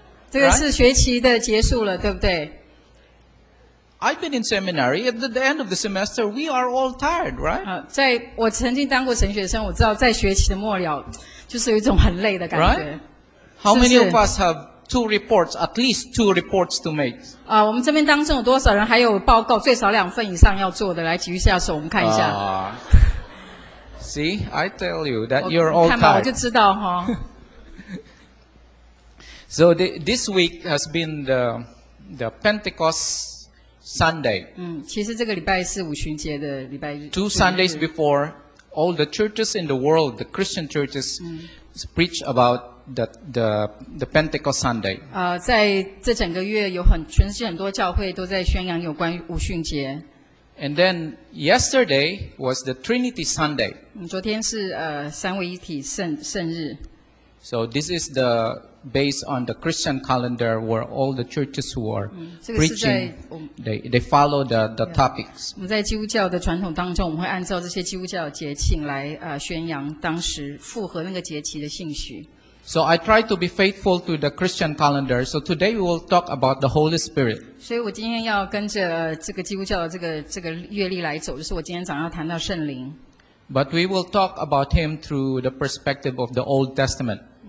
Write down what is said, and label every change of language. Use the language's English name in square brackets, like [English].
[Chinese] 这个是学期的结束了，对不对？ [English] I've been in seminary. At the end of the semester, we are all tired, right? [Chinese] 在我曾经当过神学生，我知道在学期的末了，就是有一种很累的感觉。 [English] Right? How many of us have two reports, at least two reports to make? [Chinese] 我们这边当中有多少人还有报告，最少两份以上要做的？来举一下手，我们看一下。 [English] See, I tell you that you're all tired. [Chinese] 看吧，我就知道哈。 [English] So this week has been the Pentecost. Sunday. [Chinese] 其实这个礼拜是五旬节的礼拜日。 [English] Two Sundays before, all the churches in the world, the Christian churches, preach about the Pentecost Sunday. [Chinese] 在这整个月有很全世界很多教会都在宣扬有关于五旬节。 [English] And then yesterday was the Trinity Sunday. [Chinese] 昨天是三位一体圣日。 [English] So this is the based on the Christian calendar where all the churches who are preaching, they follow the topics. [Chinese] 我们在基督教的传统当中，我们会按照这些基督教节庆来宣扬当时符合那个节期的信息。 [English] So I try to be faithful to the Christian calendar. So today we will talk about the Holy Spirit. [Chinese] 所以我今天要跟着这个基督教的这个月历来走，就是我今天早上要谈到圣灵。 [English] But we will talk about him through the perspective of the Old Testament.